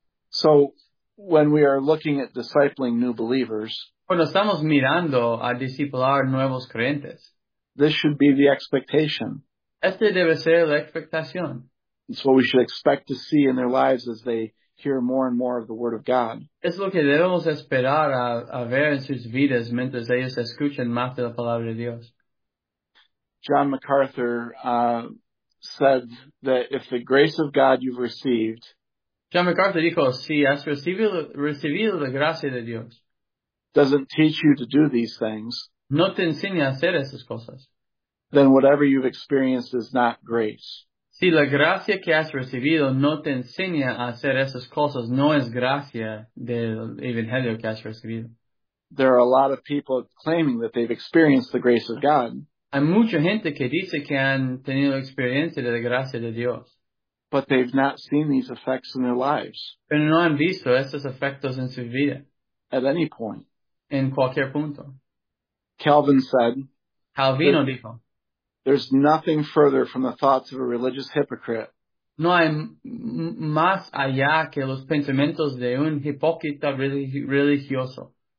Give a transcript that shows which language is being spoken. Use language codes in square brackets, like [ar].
[en] So, when we are looking at discipling new believers. [es] Cuando estamos mirando a discipular nuevos creyentes. [en] This should be the expectation. [es] Este debe ser la expectación. [en] It's what we should expect to see in their lives as they hear more and more of the Word of God. [es] Es lo que debemos esperar a ver en sus vidas mientras ellos escuchan más de la Palabra de Dios. [en] John MacArthur said that if the grace of God you've received [es] John MacArthur dijo, si has recibido la gracia de Dios, [en] doesn't teach you to do these things, [es] no te enseña a hacer esas cosas, [en] then whatever you've experienced is not grace. [es] Si la gracia que has recibido no te enseña a hacer esas cosas, no es gracia del evangelio que has recibido. [en] There are a lot of people claiming that they've experienced the grace of God. [es] Hay mucha gente que dice que han tenido experiencia de la gracia de Dios. [en] But they've not seen these effects in their lives. [es] Pero no han visto estos efectos en su vida. [en] At any point. [es] En cualquier punto. [en] Calvin said, [es] Calvino dijo, [en] there's nothing further from the thoughts of a religious hypocrite. [es] No hay más allá que los pensamientos de un hipócrita religioso.